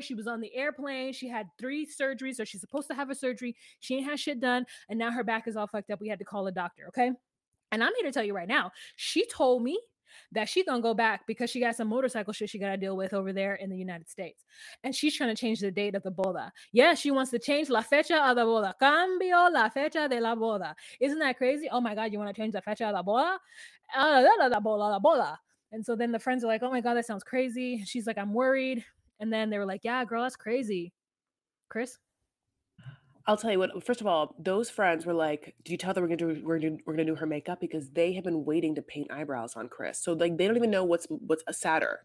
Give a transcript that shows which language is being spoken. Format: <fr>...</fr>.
<en>She was on the airplane. She had 3 surgeries, or she's supposed to have a surgery. She ain't had shit done, and now her back is all fucked up. We had to call a doctor, okay? And I'm here to tell you right now, she told me that she's going to go back because she got some motorcycle shit she got to deal with over there in the United States. And she's trying to change the date of the boda. Yeah, she wants to change</en> <es>la fecha de la boda. Cambio la fecha de la boda.</es> <en>Isn't that crazy? Oh, my God, you want to change</en> <es>la fecha de la boda? La boda.</es> <en>And so then the friends are like, oh my God, that sounds crazy. She's like, I'm worried. And then they were like, yeah, girl, that's crazy. Chris? I'll tell you what. First of all, those friends were like, did you tell them we're gonna do her makeup? Because they have been waiting to paint eyebrows on Chris. So like, they don't even know what's sadder.</en>